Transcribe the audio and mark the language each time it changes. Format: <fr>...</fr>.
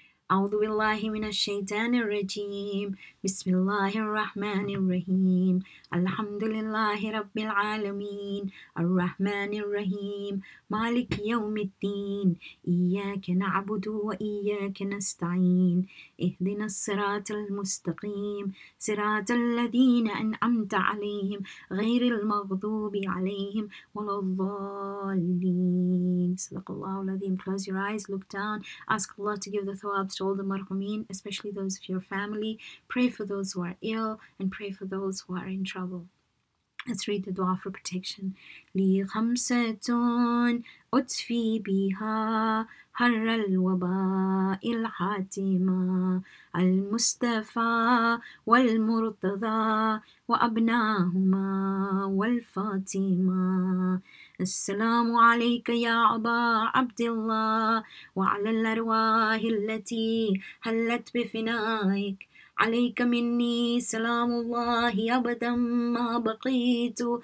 <ar>أعوذ بالله من الشيطان الرجيم بسم الله الرحمن الرحيم الحمد لله رب العالمين الرحمن الرحيم مالك يوم الدين إياك نعبد وإياك نستعين اهدنا الصراط المستقيم صراط الذين أنعمت عليهم غير المغضوب عليهم ولا الضالين. صدق الله العظيم.</ar> <en>Close your eyes, look down, ask Allah to give the thawab to all the marhumin, especially those of your family. Pray for those who are ill and pray for those who are in trouble. Let's read the dua for protection.</en> <ar>لي خمسة أطفي بها حر الوباء الحاتمة المصطفى والمرتضى وأبناهما والفاطمة السلام عليك يا أبا عبد الله وعلى الأرواح التي هلت بفنائك عليك مني سلام الله أبدا ما بقيت</ar>